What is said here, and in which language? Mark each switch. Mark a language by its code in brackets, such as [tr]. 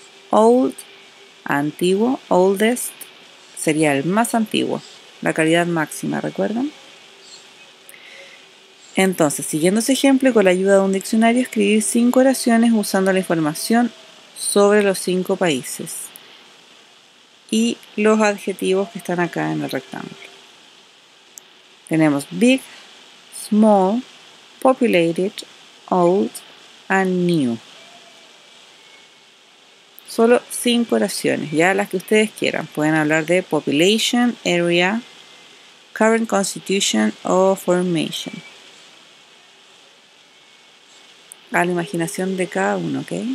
[es] Old, antiguo, oldest, sería el más antiguo, la calidad máxima, ¿recuerdan? Entonces, siguiendo ese ejemplo y con la ayuda de un diccionario, escribir 5 oraciones usando la información sobre los 5 países y los adjetivos que están acá en el rectángulo. [en] Tenemos big, small, populated, old, and new. [es] Solo 5 oraciones, ya las que ustedes quieran. Pueden hablar de population, area, current constitution o formation. A la imaginación de cada uno, ¿ok?